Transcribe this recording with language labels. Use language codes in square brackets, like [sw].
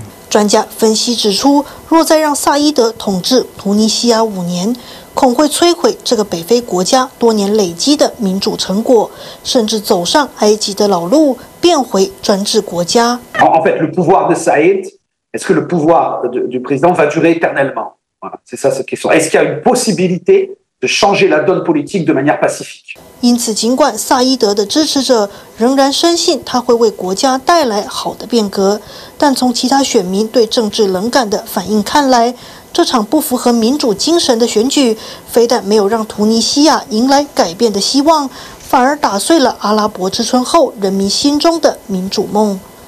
[zh] 专家分析指出，若再让萨伊德统治突尼西亚5年，恐会摧毁这个北非国家多年累积的民主成果，甚至走上埃及的老路，变回专制国家。 [fr] En fait, le pouvoir de Saïd, est-ce que le pouvoir du président va durer éternellement? C'est ça cette question. Est-ce qu'il y a une possibilité de changer la donne politique de manière pacifique? [zh] 因此，尽管萨伊德的支持者仍然深信他会为国家带来好的变革，但从其他选民对政治冷感的反应看来，这场不符合民主精神的选举非但没有让突尼西亚迎来改变的希望，反而打碎了阿拉伯之春后人民心中的民主梦。